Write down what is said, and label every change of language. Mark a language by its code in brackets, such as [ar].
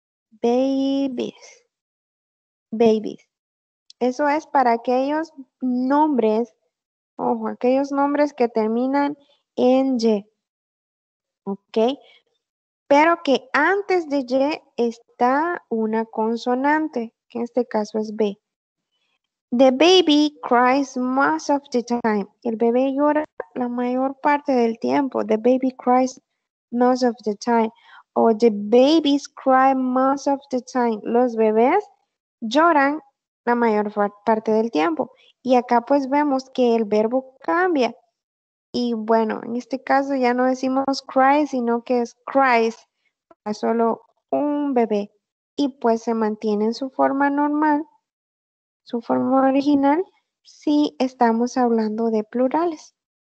[en] Babies. Babies. [es] Eso es para aquellos nombres, ojo, aquellos nombres que terminan en y. ¿Ok? pero que antes de Y está una consonante, que en este caso es B. [en] The baby cries most of the time. [es] El bebé llora la mayor parte del tiempo. [en] The baby cries most of the time. O the babies cry most of the time. [es] Los bebés lloran la mayor parte del tiempo. Y acá pues vemos que el verbo cambia. Y bueno, en este caso ya no decimos cry, sino que es cries. Es solo un bebé. Y pues se mantiene en su forma normal, su forma original, si estamos hablando de plurales.